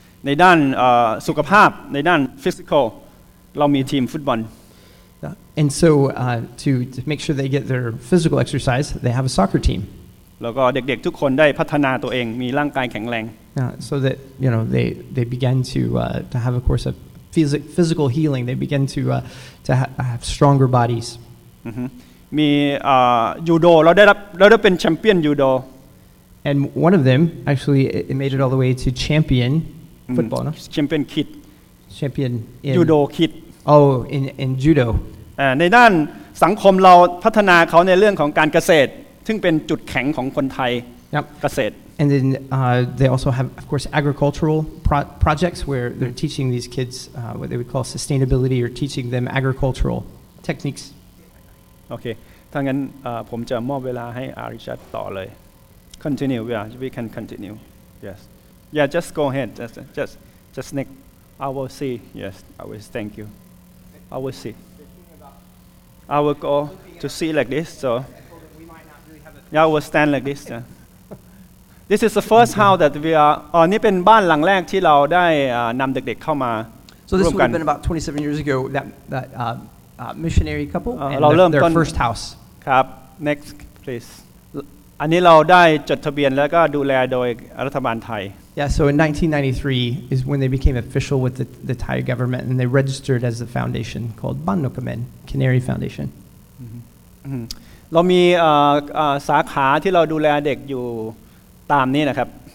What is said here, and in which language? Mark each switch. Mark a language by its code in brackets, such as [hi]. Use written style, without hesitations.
[th] ในด้านสุขภาพในด้านฟิสิกอลเรามีทีมฟุตบอล [en] And so to make sure they get their physical exercise they have a soccer team [th] แล้วก็เด็กๆทุกคนได้พัฒนาตัวเองมีร่างกายแข็งแรง [en] so that you know they begin to have a course of physical healing they begin to have stronger bodies [th] มียูโดเราได้เป็นแชมเปี้ยนยูโด [en] And one of them actually it made it all the way to championFootball, no? Champion kid. Champion in... Judo kid. Oh, in judo. [th] ในด้านสังคมเราพัฒนาเขาในเรื่องของการเกษตรซึ่งเป็นจุดแข็งของคนไทยเกษตร [en] And then they also have, of course, agricultural projects where they're teaching these kids what they would call sustainability or teaching them agricultural techniques. Okay. [th] ถ้างั้นผมจะมอบเวลาให้อาริชัดต่อเลย [en] Continue. We can continue. Yes. Yeah, just go ahead. Just Nick. I will see. Yes, I will. Thank you. I will see. I will go to see like this. So, yeah, I will stand like this. So. This is the first house that we are. [th] นี่เป็นบ้านหลังแรกที่เราได้นำเด็กๆเข้ามา [en] So this would have been about 27 years ago. That missionary couple and their first house. ครับ Next, please. [th] อันนี้เราได้จดทะเบียนแล้วก็ดูแลโดยรัฐบาลไทย [en] Yeah, so in 1993 is when they became official with the Thai government and they registered as a foundation called Baan Nokkammin, Canary Foundation. [th] เรามีสาขาที่เราดูแลเด็กอยู่ตามนี้นะครับ